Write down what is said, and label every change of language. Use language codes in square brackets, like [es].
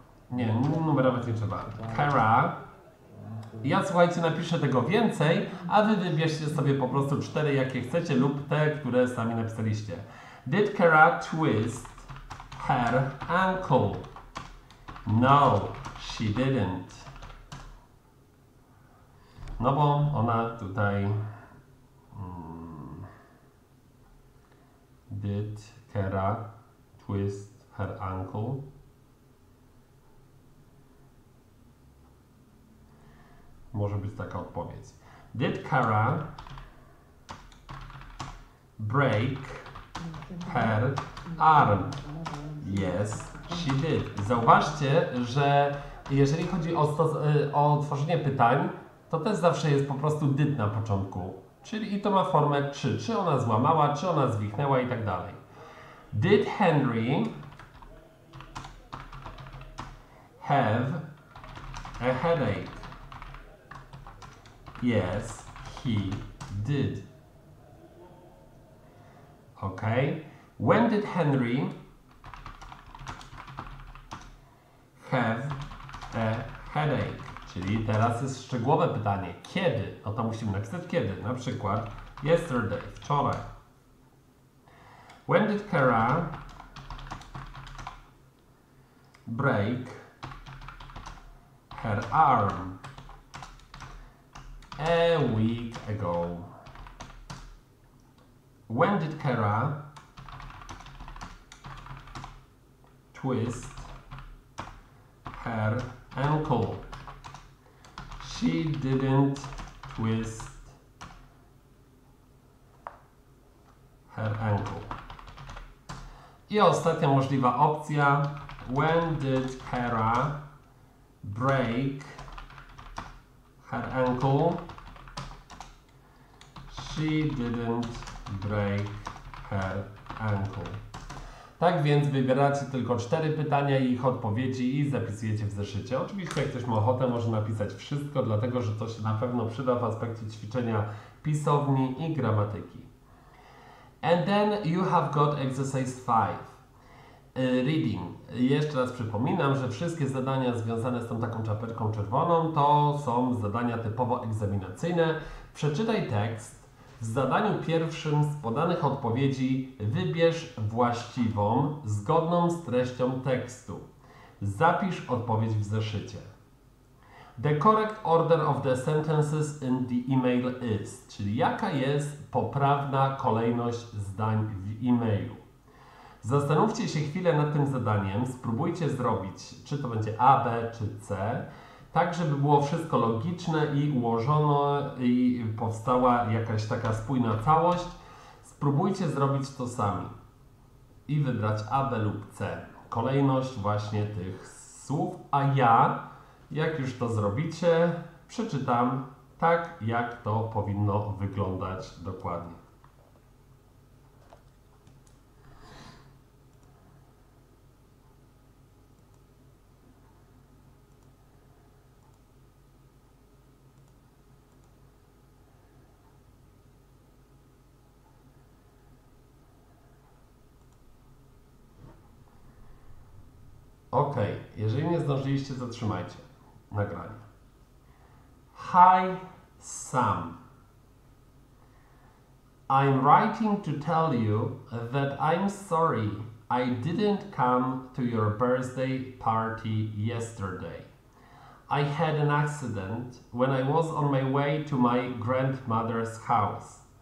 [pl] Nie, numerować nie trzeba. Kara. Ja, słuchajcie, napiszę tego więcej, a wy wybierzcie sobie po prostu cztery, jakie chcecie, lub te, które sami napisaliście. [en] Did Kara twist her ankle? No, she didn't. [pl] No bo ona tutaj... [en] Did Kara twist her ankle? [pl] Może być taka odpowiedź. [en] Did Kara break her arm? Yes, she did. [pl] Zauważcie, że jeżeli chodzi o tworzenie pytań, to też zawsze jest po prostu did na początku. Czyli i to ma formę czy ona złamała, czy ona zwichnęła i tak dalej. [en] Did Henry have a headache? Yes, he did. Okay. When did Henry have a headache? [pl] Czyli teraz jest szczegółowe pytanie. Kiedy? No to musimy napisać kiedy. Na przykład yesterday, wczoraj. [en] When did Kara break her arm? A week ago. When did Kara twist her ankle? She didn't twist her ankle. [pl] I ostatnia możliwa opcja. [en] When did Kara break her ankle? She didn't break her ankle. [pl] Tak więc wybieracie tylko cztery pytania i ich odpowiedzi i zapisujecie w zeszycie. Oczywiście jak ktoś ma ochotę, może napisać wszystko, dlatego że to się na pewno przyda w aspekcie ćwiczenia pisowni i gramatyki. [en] And then you have got exercise 5. Reading. [pl] Jeszcze raz przypominam, że wszystkie zadania związane z tą taką czapeczką czerwoną to są zadania typowo egzaminacyjne. Przeczytaj tekst. W zadaniu pierwszym z podanych odpowiedzi wybierz właściwą, zgodną z treścią tekstu. Zapisz odpowiedź w zeszycie. [en] The correct order of the sentences in the email is. [pl] Czyli jaka jest poprawna kolejność zdań w e-mailu. Zastanówcie się chwilę nad tym zadaniem, spróbujcie zrobić, czy to będzie A, B czy C, tak żeby było wszystko logiczne i ułożone i powstała jakaś taka spójna całość. Spróbujcie zrobić to sami i wybrać A, B lub C. Kolejność właśnie tych słów, a ja, jak już to zrobicie, przeczytam tak, jak to powinno wyglądać dokładnie. Okej, okay. Jeżeli nie zdążyliście, zatrzymajcie nagranie. [en] Hi, Sam. I'm writing to tell you that I'm sorry I didn't come to your birthday party yesterday. I had an accident when I was on my way to my grandmother's house.